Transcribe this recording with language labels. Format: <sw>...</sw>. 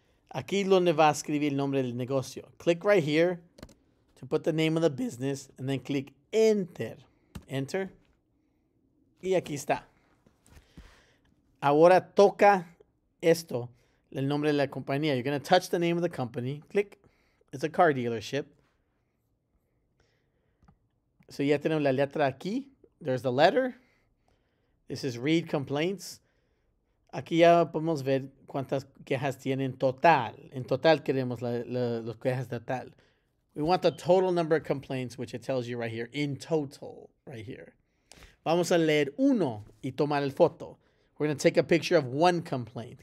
<es>Aquí es donde va a escribir el nombre del negocio.</es> <en>Click right here to put the name of the business and then click enter.</en> <es>Enter. Y aquí está. Ahora toca esto, el nombre de la compañía.</es> <en>You're going to touch the name of the company. Click. It's a car dealership. So</en> <es>ya tenemos la letra aquí.</es> <en>There's the letter. This is read complaints.</en> <es>Aquí ya podemos ver cuántas quejas tiene en total. En total queremos las quejas de tal.</es> <en>We want the total number of complaints, which it tells you right here. In total, right here.</en> <es>Vamos a leer uno y tomar el foto.</es> <en>We're going to take a picture of one complaint.</en>